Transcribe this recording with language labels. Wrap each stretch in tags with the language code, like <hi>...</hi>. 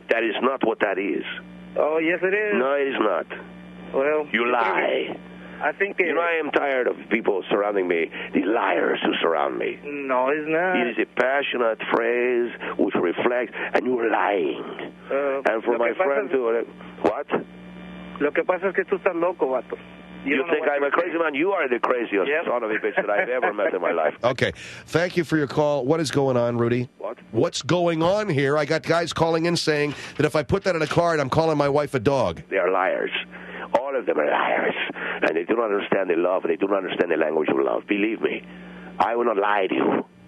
<en>That is not what that is. Oh, yes, it is. No, it is not. Well, you lie. I think you know, I am tired of people surrounding me, the liars who surround me. No, it's not. It is a passionate phrase which reflects, and you're lying. And for my friend to... What?</en> <es>Lo que pasa es que tú estás loco, vato.</es> <en>You think I'm a crazy man? You are the craziest son of a bitch that I've ever met in my life. Okay. Thank you for your call. What is going on, Rudy? What? What's going on here? I got guys calling in saying that if I put that in a card, I'm calling my wife a dog. They are liars. All of them are liars. And they do not understand the love. They do not understand the language of love. Believe me, I will not lie to you.</en>